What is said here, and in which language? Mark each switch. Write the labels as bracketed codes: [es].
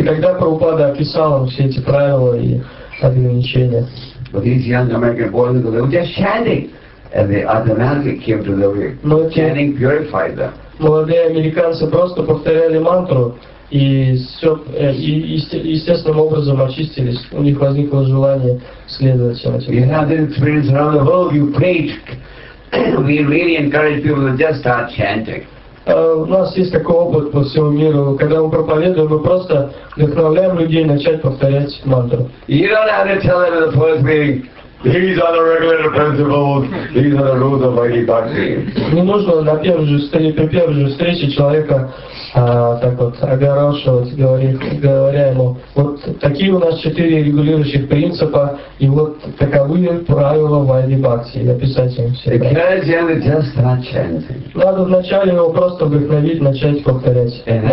[ru] И тогда Прабхупада описал все эти правила и ограничения. [en] But these young American boys, they were just chanting. And they automatically came to the way. [ru] Но [en] chanting purified them. [ru] Молодые американцы просто повторяли мантру, и все, и естественным образом очистились. У них возникло желание следовать всем этим. [en] You have this experience around the world, you preach. We really encourage people to just start chanting. [ru] У нас есть такой опыт по всему миру. Когда мы проповедуем, мы просто вдохновляем людей начать повторять мантру. [en] You don't have to tell them in the first meeting, these are the regulated principles, these are the rules of Vaidhi Bhakti. [ru] Не нужно на первой же встрече, при первой же встрече человека так вот огорошивать, говоря ему, вот такие у нас четыре регулирующих принципа, и вот таковы правила Vaidhi Bhakti, написать им все. Надо вначале его просто вдохновить, начать повторять.